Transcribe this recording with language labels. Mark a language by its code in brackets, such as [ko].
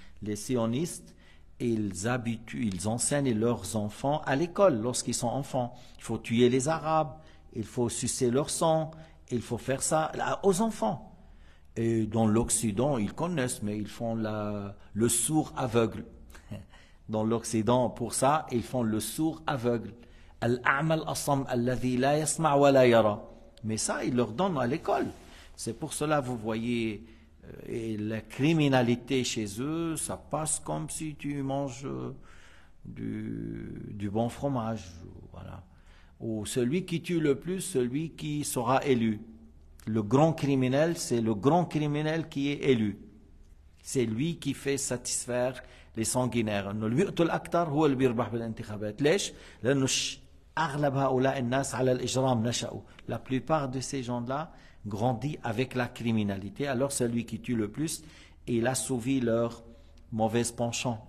[fr] Les sionistes, ils enseignent leurs enfants à l'école lorsqu'ils sont enfants. Il faut tuer les Arabes, il faut sucer leur sang, il faut faire ça aux enfants. Et dans l'Occident, ils connaissent, mais ils font le sourd aveugle. Dans l'Occident, pour ça, ils font le sourd aveugle. [ar] الأعمى الأصم الذي لا يسمع ولا يرى. [fr] Mais ça, ils leur donnent à l'école. C'est pour cela, vous voyez, la criminalité chez eux, ça passe comme si tu manges du bon fromage. Voilà. Ou celui qui tue le plus, celui qui sera élu. Le grand criminel, c'est le grand criminel qui est élu. C'est lui qui fait satisfaire les sanguinaires. [ar] إنه اللي بيقتل أكثر هو اللي بيربح بالانتخابات. ليش؟ لأنه أغلب هؤلاء الناس على الإجرام نشأوا. [fr] La plupart de ces gens-là grandit avec la criminalité. Alors celui qui tue le plus, il a sauvé leur mauvaise penchant.